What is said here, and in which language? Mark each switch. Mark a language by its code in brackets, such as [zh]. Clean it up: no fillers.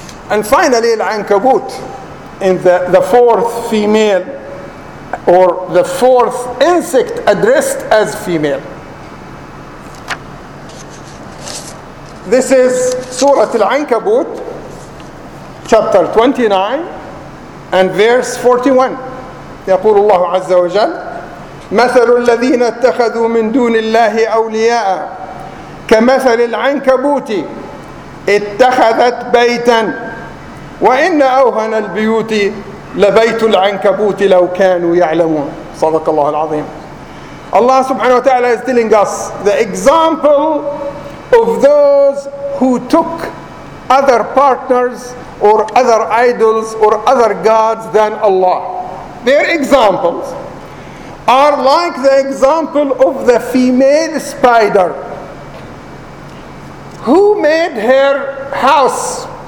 [en] And finally, al-ankabut, in the fourth female, or the fourth insect addressed as female. This is Surah Al-Ankabut, chapter 29 and verse 41. [ar] يقول الله عز وجل مثل الذين اتخذوا من دون الله أولياء كمثل العنكبوت اتخذت بيتا وإن أوهن البيوت لبيت العنكبوت لو كانوا يعلمون. صدق الله العظيم. [en] Allah subhanahu wa ta'ala is telling us the example of those who took other partners or other idols or other gods than Allah. Their examples are like the example of the female spider who made her house.